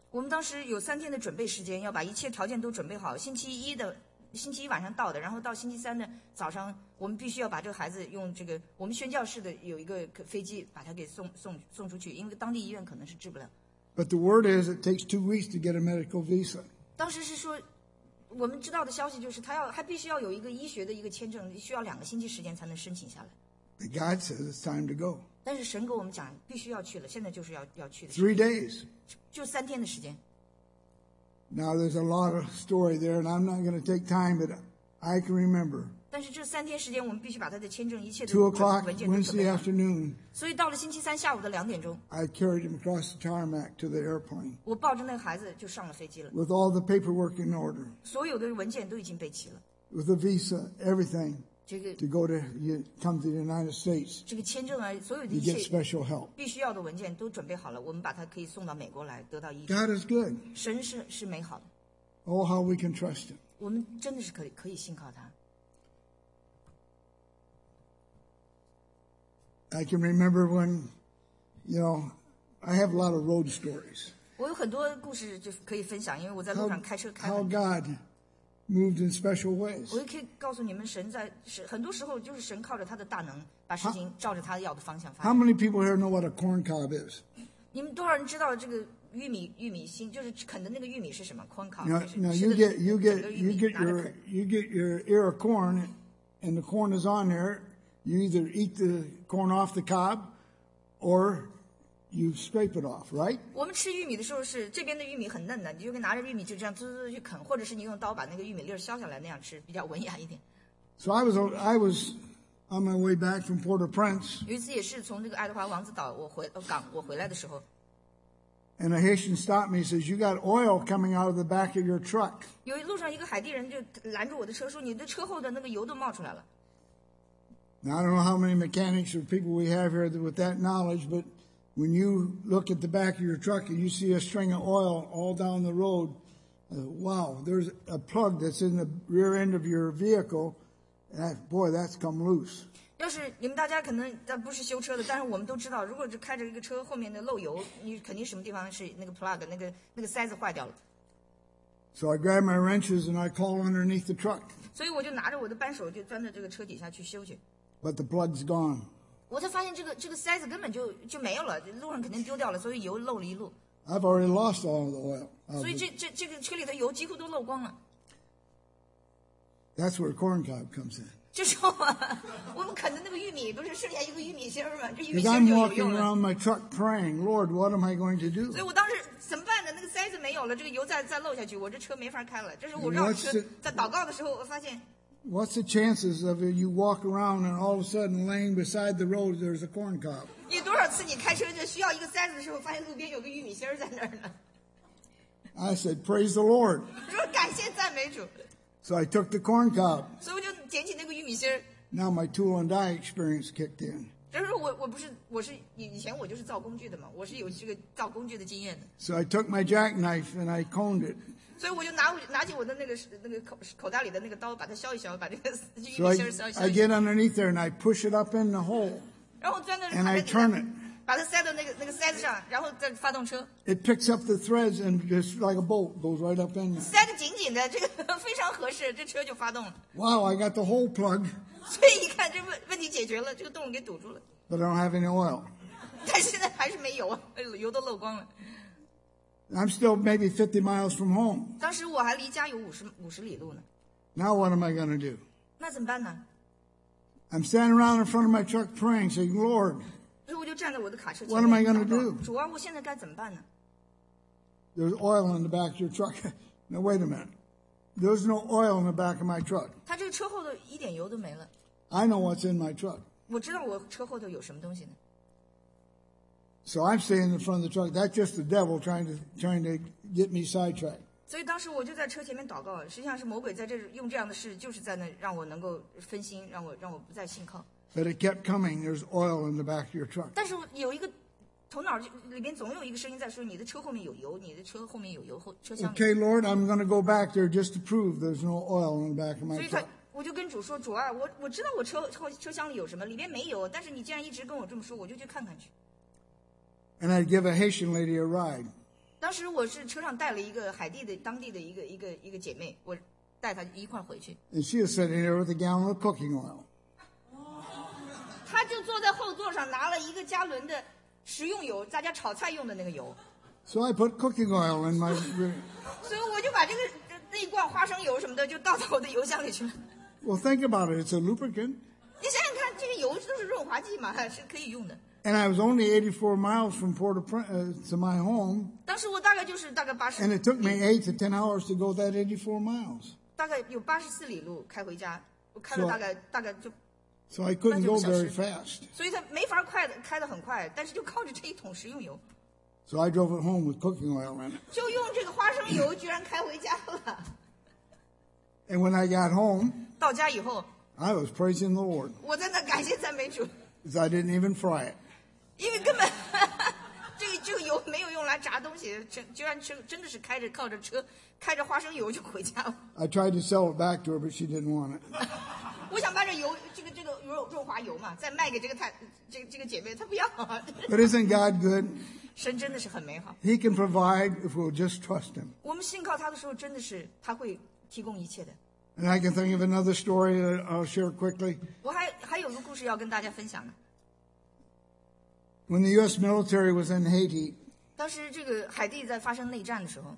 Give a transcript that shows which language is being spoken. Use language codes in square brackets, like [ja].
[zh] 我们当时有三天的准备时间，要把一切条件都准备好。星期一的星期一晚上到的，然后到星期三的早上，我们必须要把这个孩子用这个我们宣教士的有一个飞机把他给送出去，因为当地医院可能是治不了。 [en] But the word is it takes 2 weeks to get a medical visa. [zh] 当时是说，我们知道的消息就是他必须要有一个医学的一个签证，需要两个星期时间才能申请下来。 [en] But God says it's time to go. [zh] 但是神给我们讲必须要去了，现在就是要去的。 [en] 3 days. [zh] 就三天的时间。 [en] Now there's a lot of story there, and I'm not going to take time, but I can remember. [zh] 但是这三天时间，我们必须把他的签证一切都 [en] 2 o'clock Wednesday afternoon. [zh] 所以到了星期三下午的两点钟 [en] I carried him across the tarmac to the airplane. [zh] 我抱着那个孩子就上了飞机了 [en] With all the paperwork in order. [zh] 所有的文件都已经备齐了 [en] With the visa, everything. [zh] 这个 [en] to go to come to the United States. [zh] 这个签证啊，所有的 [en] You get special help. [zh] 必须要的文件都准备好了，我们把它可以送到美国来，得到医治。 [en] God is good. [zh] 神是美好的。 [en] Oh, how we can trust Him. [zh] 我们真的是可以信靠他。 [en] I can remember when, you know, I have a lot of road stories. [zh] 我有很多故事就可以分享，因为我在路上开车开。 [en] How God. Moved in special ways. [zh] 我也可以告诉你们，神在很多时候就是神靠着他的大能，把事情照着他要的方向发展。 [en] How many people here know what a corn cob is? [zh] 你们多少人知道这个玉米心，就是啃的那个玉米是什么 ？Corn cob. [en] Now you get your ear of corn, and the corn is on there. You either eat the corn off the cob, or you scrape it off, right? [zh] 我们吃玉米的时候是这边的玉米很嫩的，你就拿着玉米就这样滋滋去啃，或者是你用刀把那个玉米粒削下来那样吃，比较文雅一点。 [en] So I was on my way back from Port-au-Prince. [zh] 有一次也是从这个爱德华王子岛我回来的时候。 [en] And a Haitian stopped me, says, "You got oil coming out of the back of your truck." [zh] 有路上一个海地人就拦住我的车说：“你的车后的那个油都冒出来了。” [en] Now I don't know how many mechanics or people we have here with that knowledge, but When you look at the back of your truck and you see a string of oil all down the road, wow, there's a plug that's in the rear end of your vehicle. And boy, that's come loose. [zh] 要是你们大家可能但不是修车的，但是我们都知道，如果是开着一个车后面的漏油，你肯定什么地方是那个 plug 那个塞子坏掉了。 [en] So I grab my wrenches and I call underneath the truck. [zh] 所以我就拿着我的扳手就钻到这个车底下去修去。 [en] But the plug's gone. [zh] 我才发现这个塞子根本就没有了，路上肯定丢掉了，所以油漏了一路。 [en] I've already lost all the oil. [zh] 所以这个车里的油几乎都漏光了。 [en] That's where corn cob comes in. [zh] 就是我们啃的那个玉米，不是剩下一个玉米芯儿吗？这玉米芯儿就有用了。 [en] Because I'm walking around my truck praying, Lord, what am I going to do? [zh] 所以我当时怎么办呢？那个塞子没有了，这个油再漏下去，我这车没法开了。这是我绕车在祷告的时候，我发现。 [en] What's the chances of you walk around and all of a sudden laying beside the road there's a corn cob? [zh] 你多少次你开车就需要一个塞子的时候，发现路边有个玉米芯在那儿呢 [en] ？I said, "Praise the Lord." [zh] 说感谢赞美主。 [en] So I took the corn cob. [zh] 所以我就捡起那个玉米芯。 [en] Now my tool and die experience kicked in. [zh] 就是我不是以前我就是造工具的嘛，我是有这个造工具的经验的。 [en] So I took my jackknife and I coned it. [zh] 所以我就拿起我的那个口袋里的那个刀，把它削一削，把这个玉米芯削一削。 [en] I get underneath there and I push it up in the hole. [zh] 然后钻到。 [en] And I turn it. [zh] 把它塞到那个塞子上，然后再发动车。 [en] It picks up the threads and just like a bolt goes right up in there. [zh] 塞得紧紧的，这个非常合适，这车就发动了。 [en] Wow, I got the hole plug. [zh] 所以一看，这问题解决了，这个洞给堵住了。 [en] But I don't have any oil. [zh] 但现在还是没油，油都漏光了。 [en] I'm still maybe 50 miles from home. [zh] 当时我还离家有50里路呢。 [en] Now what am I going to do? [zh] 那怎么办呢？ [en] I'm standing around in front of my truck praying, saying, Lord. [zh] 所以我就站在我的卡车前 [en] 面。What am I going to do? [zh] 主啊，我现在该怎么办呢？ [en] There's oil in the back of your truck. Now wait a minute. There's no oil in the back of my truck. [zh] 他这个车后头一点油都没了。 [en] I know what's in my truck. [zh] 我知道我车后头有什么东西呢。 [en] So I'm standing in front of the truck. That's just the devil trying to get me sidetracked. [zh] 所以当时我就在车前面祷告，实际上是魔鬼在这用这样的事，就是在那让我能够分心，让我不再信靠。 [en] But it kept coming. There's oil in the back of your truck. [zh] 但是有一个头脑里边总有一个声音在说，你的车后面有油，你的车后面有油，后车厢。 [en] Okay, Lord, I'm going to go back there just to prove there's no oil in the back of my truck. [zh] 所以我就跟主说，主啊，我知道我车厢里有什么，里边没油，但是你既然一直跟我这么说，我就去看看去。 [en] And I'd give a Haitian lady a ride. [zh] 当时我是车上带了一个海地的当地的一个姐妹，我带她一块回去。 [en] And she was sitting there with a gallon of cooking oil. [zh] 她就坐在后座上拿了一个加仑的食用油，大家炒菜用的那个油。 [en] So I put cooking oil in my. [zh] 所以我就把这个那一罐花生油什么的就倒到我的油箱里去了。 [en] Well, think about it. It's a lubricant. [zh] 你想想看，这个油都是润滑剂嘛，是可以用的。 [en] And I was only 84 miles from Port-au-Prince to my home. [zh] 当时我大概就是大概八十。 [en] And it took me 8 to 10 hours to go that 84 miles. [zh] 大概有84里路开回家，我开了大概就。 [en] So I couldn't go very fast. [zh] 所以他没法快的开得很快，但是就靠着这一桶食用油。 [en] So I drove it home with cooking oil in it. [zh] 就用这个花生油居然开回家了。 [en] And when I got home. [zh] 到家以后。 [en] I was praising the Lord. [zh] 我在那感谢赞美主。 [en] Because I didn't even fry it. [zh] 因为根本这个油没有用来炸东西，居然真的是开着靠着车，开着花生油就回家了。 [en] I tried to sell it back to her, but she didn't want it. [zh] 我想把这个润滑油嘛，再卖给这个姐妹，她不要。 [en] But isn't God good? [zh] 神真的是很美好。 [en] He can provide if we'll just trust Him. [zh] 我们信靠他的时候，真的是他会提供一切的。 [en] And I can think of another story that I'll share quickly. [zh] 我还有个故事要跟大家分享呢。 [en] When the U.S. military was in Haiti, [zh] 当时这个海地在发生内战的时候